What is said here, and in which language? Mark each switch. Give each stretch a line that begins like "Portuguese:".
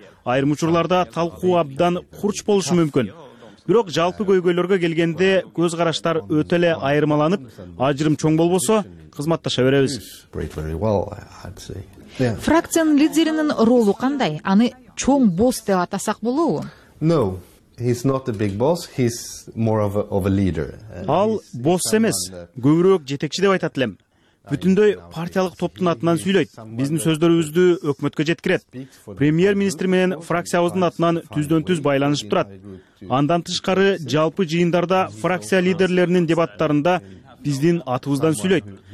Kyrgyz: Айрым учурларда талкуу абдан курч болушу мүмкүн. Бирок жалпы көйгөйлөргө келгенде көз караштар өтө эле айырмаланып, ажырым чоң болбосо, кызматташа беребиз. Фракциянын лидеринин ролу кандай? Аны чоң босс деп атасак болобу?
English: He's not a big boss, he's more of a leader.
Kyrgyz: Ал босс эмес, көбүрөөк жетекчи деп айтат элем. Бүтүндөй партиялык топтун атынан сүйлөйт. Биздин сөздөрүбүздү өкмөткө жеткирет. Премьер-министр менен фракциябыздын атынан түздөн-түз байланышып турат. Андан тышкары жалпы жыйындарда фракция лидерлеринин дебаттарында биздин атыбыздан сүйлөйт.